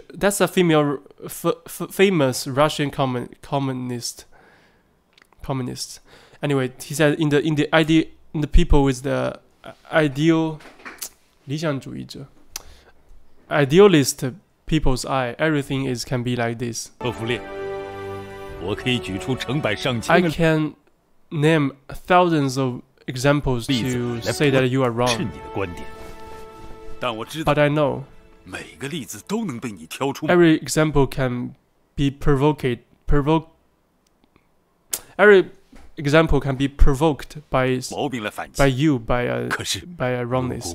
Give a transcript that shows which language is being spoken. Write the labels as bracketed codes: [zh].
[en] That's a female famous Russian communist. Anyway, he said in the people with the ideal. [zh] 理想主义者 [en] idealist people's eye, everything can be like this. [zh] 赫弗烈，我可以举出成百上千的 [en] I can name thousands of examples to say that you are wrong. [zh] 是你的观点，但我知道 [en] But I know [zh] 每个例子都能被你挑出 [en] Every example can be provoked every example can be provoked by you, by a wrongness.